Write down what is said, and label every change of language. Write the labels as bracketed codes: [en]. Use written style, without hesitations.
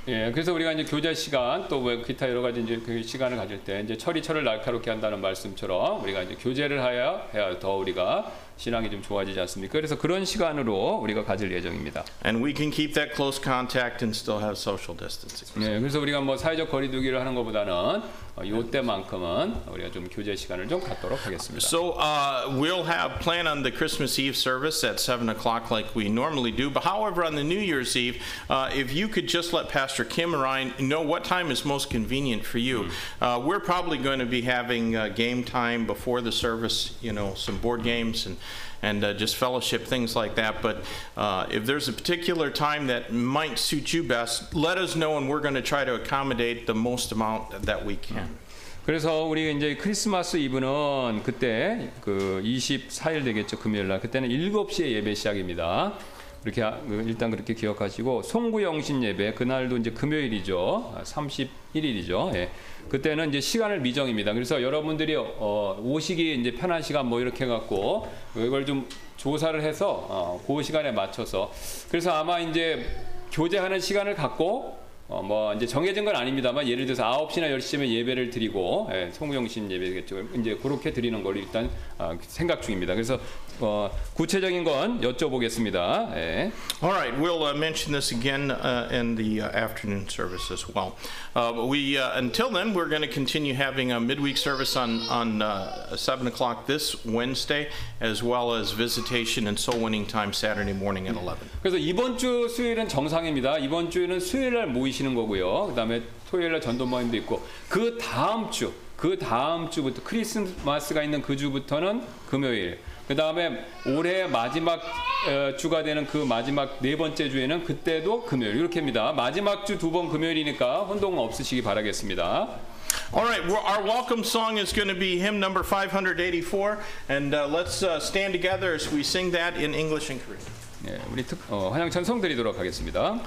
[ko] 예, 그래서 우리가 이제 교제 시간 또 뭐 기타 여러 가지 이제 그 시간을 가질 때 이제 철이 철을 날카롭게 한다는 말씀처럼 우리가 이제 교제를 해야 더 우리가 신앙이 좀 좋아지지 않습니까? 그래서 그런 시간으로 우리가 가질 예정입니다. [en] And we can keep that close contact and still have social distancing. [ko] 네, 그래서 우리가 뭐 사회적 거리두기를 하는 것보다는 이때만큼은 우리가 좀 교제 시간을 좀 갖도록 하겠습니다. [en] So we'll have plan on the Christmas Eve service at 7 o'clock like we normally do. But however, on the New Year's Eve, if you could just let Pastor Kim or I know what time is most convenient for you, we're probably going to be having game time before the service. You know, some board games and just fellowship, things like that. But if there's a particular time that might suit you best, let us know and we're going to try to accommodate the most amount that we can. [ko] 그래서 우리 이제 크리스마스 이브는 그때 그 24일 되겠죠, 금요일날. 그때는 7시에 예배 시작입니다. 이렇게 일단 그렇게 기억하시고 송구영신 예배 그날도 이제 금요일이죠. 31일이죠. 예. 그때는 이제 시간을 미정입니다. 그래서 여러분들이 오시기 이제 편한 시간 뭐 이렇게 갖고 이걸 좀 조사를 해서 그 시간에 맞춰서 그래서 아마 이제 교제하는 시간을 갖고 뭐 이제 정해진 건 아닙니다만 예를 들어서 9시나 10시쯤에 예배를 드리고 예, 송구영신 예배겠죠. 이제 그렇게 드리는 걸 일단 생각 중입니다. 그래서 구체적인 건 여쭤보겠습니다. 예. [en] All right, we'll mention this again in the afternoon service as well. Until then, we're going to continue having a midweek service on 7 o'clock this Wednesday, as well as visitation and soul winning time Saturday morning at 11. [ko] 그래서 이번 주 수요일은 정상입니다. 이번 주에는 수요일날 모이시는 거고요. 그다음에 토요일날 전도 모임도 있고 그 다음 주부터 크리스마스가 있는 그 주부터는 금요일. 그 다음에 올해 마지막 주가 되는 그 마지막 네 번째 주에는 그때도 금요일 이렇게입니다. 마지막 주 두 번 금요일이니까 혼동 없으시기 바라겠습니다. [en] All right, well, our welcome song is going to be hymn number 584, and let's stand together as we sing that in English and Korean. [ko] 네, 우리 환영 찬송 드리도록 하겠습니다.